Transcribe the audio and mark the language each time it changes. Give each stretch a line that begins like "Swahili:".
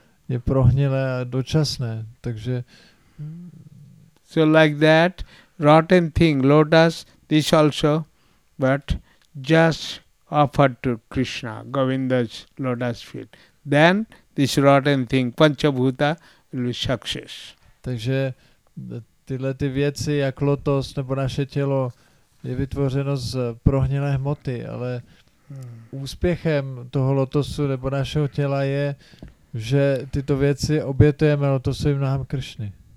Czech: Je prohnilé a dočasné, takže...
English: So like that, rotten thing, lotus, this also, but just offered to Krishna, Govinda's lotus feet. Then this rotten thing, panchabhuta, will be success.
Czech: Takže tyhle ty věci, jak lotos nebo naše tělo, je vytvořeno z prohnilé hmoty, ale úspěchem toho lotosu nebo našeho těla je, že tyto věci obětujeme lotosovým nohám Krishny.